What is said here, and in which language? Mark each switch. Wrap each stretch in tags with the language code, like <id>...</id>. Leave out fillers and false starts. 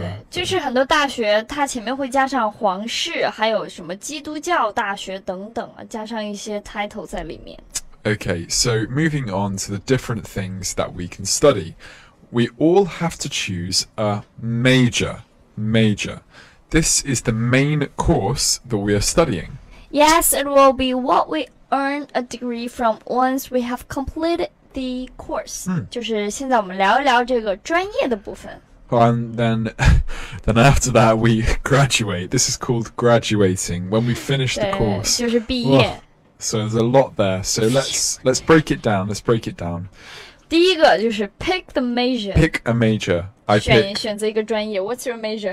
<zh>对，就是很多大学它前面会加上皇室，还有什么基督教大学等等，加上一些 title 在里面。</zh> <en>Okay, so moving on to the different things that we can study. We all have to choose a major. This is the main course that we are studying. Yes, it will be what we earn a degree from once we have completed the course.</en> <zh>就是现在我们聊一聊这个专业的部分。</zh> <en>And then after that, we graduate. This is called graduating, when we finish the course.</en> <zh>就是毕业。 Well,</zh> <en>So there's a lot there. So let's break it down. Let's break it down.</en> <zh>第一个就是 pick the major.</zh> <en>Pick a major. I pick 一个专业 What's your major?</en>